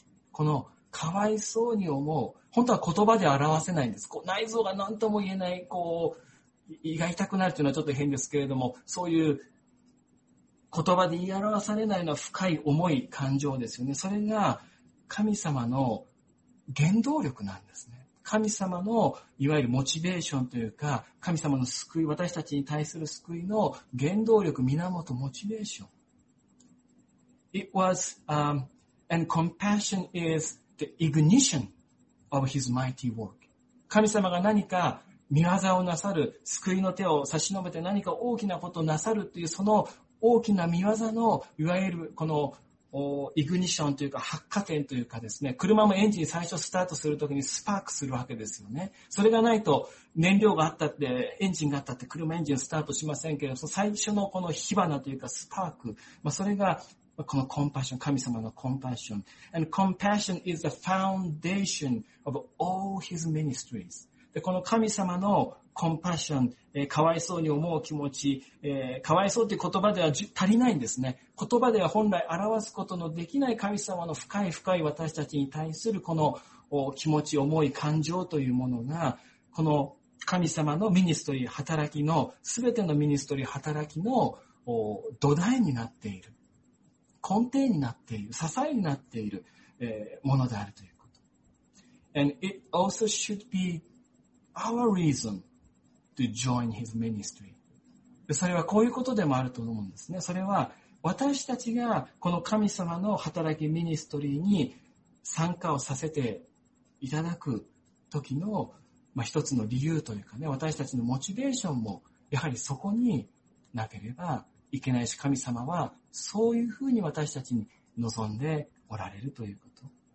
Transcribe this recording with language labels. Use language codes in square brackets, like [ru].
[ja] このかわいそうに思う、本当は言葉で表せないんです。こう内臓が何とも言えない、こう胃が痛くなるというのはちょっと変ですけれども、そういう言葉で言い表されないのは深い思い感情ですよね。それが神様の原動力なんですね。神様のいわゆるモチベーションというか、神様の救い、私たちに対する救いの原動力、源、モチベーション。 [en] It was, and compassion is the ignition of his mighty work. [ja] 神様が何か見業をなさる、救いの手を差し伸べて何か大きなことをなさるという、その大きな見業の、いわゆるこのイグニションというか発火点というかですね、車もエンジン最初スタートするときにスパークするわけですよね。それがないと燃料があったってエンジンがあったって車エンジンスタートしませんけど、その最初のこの火花というかスパーク、まあ、それがこのコンパッション、神様のコンパッション。 [en] And compassion is the foundation of all his ministries. [ja] でこの神様のコンパッション、かわいそうに思う気持ち、かわいそうという言葉では足りないんですね。言葉では本来表すことのできない神様の深い深い私たちに対するこの気持ち、思い、感情というものがこの神様のミニストリー働きの、すべてのミニストリー働きの土台になっている、根底になっている、支えになっているものであるということ。 [en] And it also should be our reason to join his ministry。 [ja] それはこういうことでもあると思うんですね。それは私たちがこの神様の働きミニストリーに参加をさせていただく時の、まあ、一つの理由というかね、私たちのモチベーションもやはりそこになければいけないし、神様はそういうふうに私たちに望んでおられるということ。